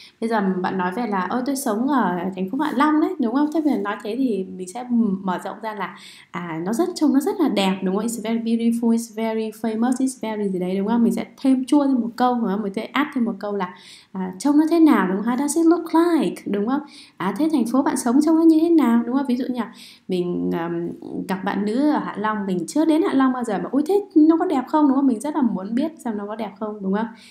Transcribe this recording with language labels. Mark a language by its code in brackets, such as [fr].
[vi] Bây giờ bạn nói về là ôi tôi sống ở thành phố Hạ Long đấy, đúng không? Thế bây giờ nói thế thì mình sẽ mở rộng ra là trông nó rất là đẹp, đúng không? [en] It's very beautiful, it's very famous, it's very [vi] gì đấy, đúng không? Mình sẽ thêm chua thêm một câu, đúng không? Mình sẽ add thêm một câu là trông nó thế nào, đúng không? [en] How does it look like, [vi] đúng không? Thế thành phố bạn sống trông nó như thế nào, đúng không? Ví dụ như là mình gặp bạn nữ ở Hạ Long, mình chưa đến Hạ Long bao giờ mà ui thế nó có đẹp không, đúng không? Mình rất là muốn biết xem nó có đẹp không, đúng không?